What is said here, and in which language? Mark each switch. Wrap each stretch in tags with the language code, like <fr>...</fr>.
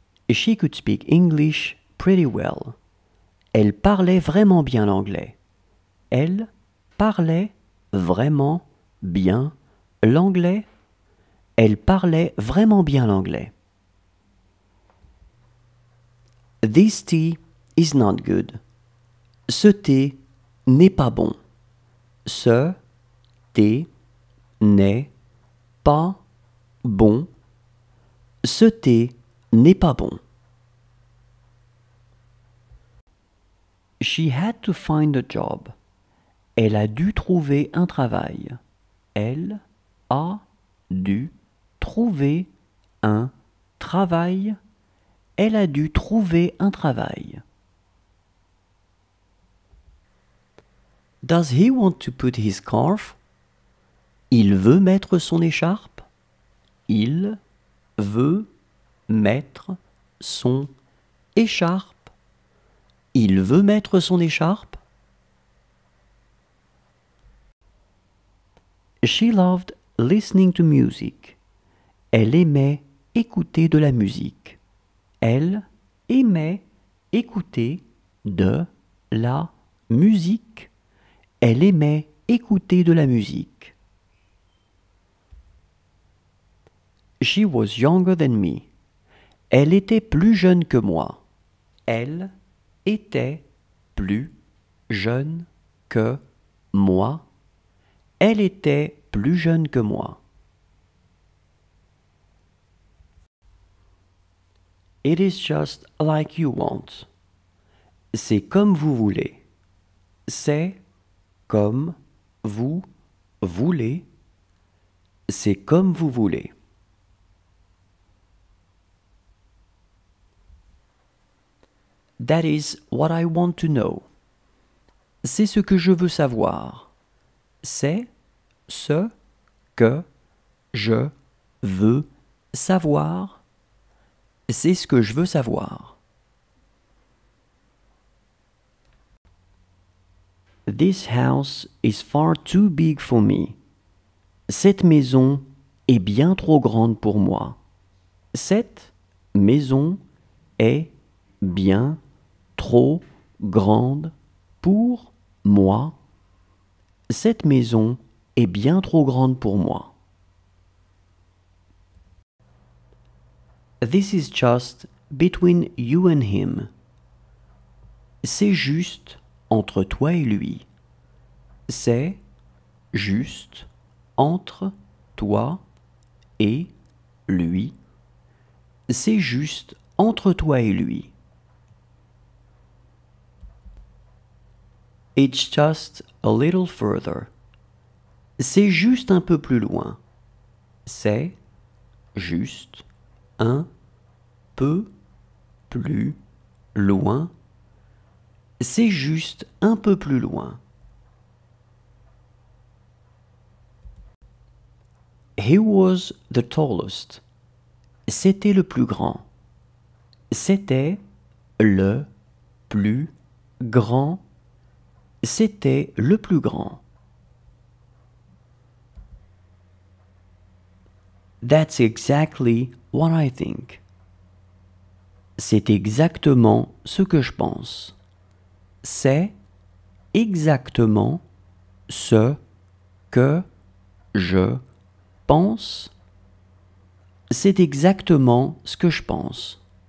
<en>She could speak English pretty well.</en> <fr>Elle parlait vraiment bien l'anglais. Elle parlait vraiment bien l'anglais. Elle parlait vraiment bien l'anglais.</fr> <en>This tea is not good.</en> <fr>Ce thé n'est pas bon. Ce thé n'est pas bon. Ce thé n'est pas bon.</fr> <en>She had to find a job.</en> <fr>Elle a dû trouver un travail. Elle a dû trouver un travail. Elle a dû trouver un travail.</fr> <en>Does he want to put his scarf?</en> <fr>Il veut mettre son écharpe. Il veut mettre son écharpe. Il veut mettre son écharpe.</fr> <en>She loved listening to music.</en> <fr>Elle aimait écouter de la musique. Elle aimait écouter de la musique. Elle aimait écouter de la musique.</fr> <en>She was younger than me.</en> <fr>Elle était plus jeune que moi. Elle était plus jeune que moi. Elle était plus jeune que moi.</fr> <en>It is just like you want.</en> <fr>C'est comme vous voulez. C'est comme vous voulez. C'est comme vous voulez.</fr> <en>That is what I want to know.</en> <fr>C'est ce que je veux savoir. C'est ce que je veux savoir. C'est ce que je veux savoir.</fr> <en>This house is far too big for me.</en> <fr>Cette maison est bien trop grande pour moi. Cette maison est bien trop grande pour moi. Cette maison est bien trop grande pour moi.</fr> <en>This is just between you and him.</en> <fr>C'est juste entre toi et lui. C'est juste entre toi et lui. C'est juste entre toi et lui.</fr> <en>It's just a little further.</en> <fr>C'est juste un peu plus loin. C'est juste un peu plus loin. C'est juste un peu plus loin.</fr> <en>He was the tallest.</en> <fr>C'était le plus grand. C'était le plus grand. C'était le plus grand.</fr> <en>That's exactly what I think.</en> <fr>C'est exactement ce que je pense. C'est exactement ce que je pense. C'est exactement ce que je pense.</fr>